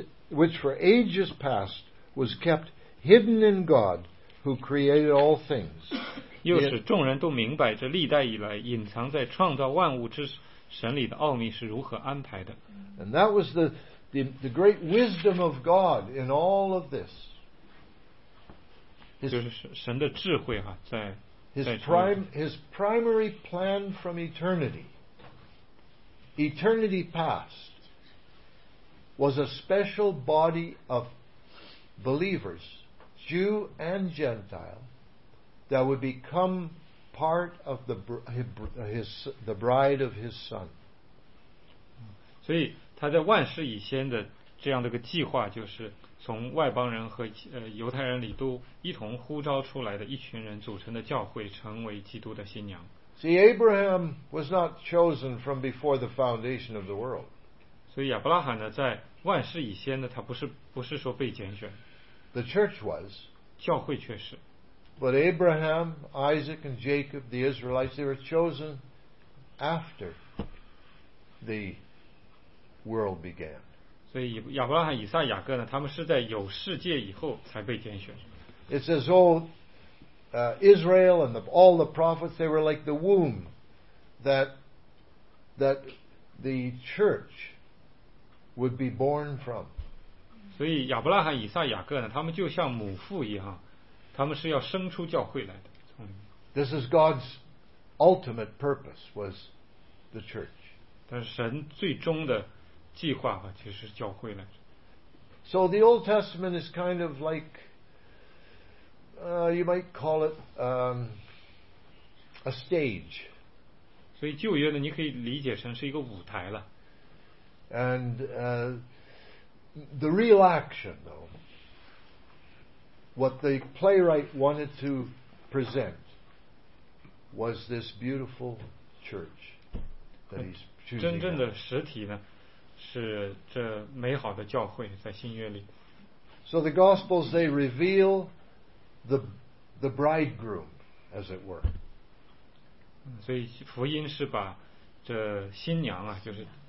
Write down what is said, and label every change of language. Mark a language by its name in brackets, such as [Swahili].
[English] Which for ages past was kept hidden in God who created all things. [Chinese] 又使众人都明白这历代以来隐藏在创造万物之神里的奥秘是如何安排的。 [English] And that was the great wisdom of God in all of this. [Chinese] 就是神的智慧啊，在 [English] His primary plan from eternity past. Was a special body of believers, Jew and Gentile, that would become part of the bride of His Son. [Chinese] 所以他在万世以先的这样的个计划，就是从外邦人和犹太人里都一同呼召出来的一群人组成的教会，成为基督的新娘。 [English] See, Abraham was not chosen from before the foundation of the world. [Chinese] 所以亚伯拉罕呢，在万世以先的他不是说被拣选。 [English] The church was. [Chinese] 教会却是。 [English] But Abraham, Isaac, and Jacob, the Israelites, they were chosen after the world began. [Chinese] 所以亚伯拉罕、以撒、雅各呢，他们是在有世界以后才被拣选。 [English] It's as though Israel and all the prophets, they were like the womb that the church. Would be born from. [Chinese] 所以亚伯拉罕、以撒、雅各呢，他们就像母父一样，他们是要生出教会来的。 [English] This is God's ultimate purpose was the church. [Chinese] 但是神最终的计划啊，其实是教会来的。 [English] So the Old Testament is kind of like, you might call it a stage. [Chinese] 所以旧约呢，你可以理解成是一个舞台了。 [English] And the real action, though, what the playwright wanted to present was this beautiful church that he's choosing. [Chinese] 真正的实体呢，是这美好的教会在新约里。 [English] So the Gospels they reveal the bridegroom, as it were. [Chinese] 所以福音是把这新娘啊，就是。